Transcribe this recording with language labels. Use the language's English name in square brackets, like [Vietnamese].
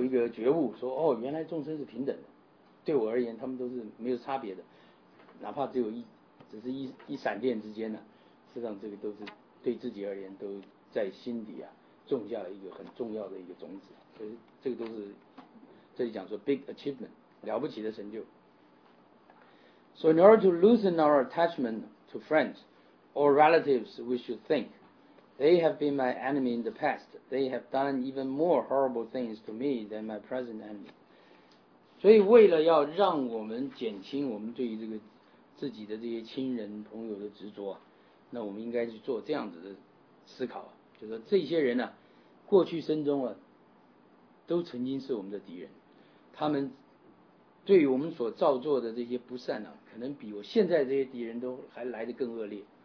[Chinese] 觉悟，说哦，原来众生是平等的，对我而言他们都是没有差别的，哪怕只是一闪电之间呢、啊，实际上这个都是对自己而言都在心底啊种下了一个很重要的一个种子，所以这个都是这里讲说 [English] big achievement [Chinese] 了不起的成就。 [English] So in order to loosen our attachment to friends or relatives, we should think, they have been my enemy in the past. They have done even more horrible things to me than my present enemy. [Chinese] 所以为了要让我们减轻我们对于这个自己的这些亲人朋友的执着，那我们应该去做这样子的思考，就是说这些人呢、啊，过去生中啊，都曾经是我们的敌人，他们对于我们所造作的这些不善啊，可能比我现在这些敌人都还来得更恶劣。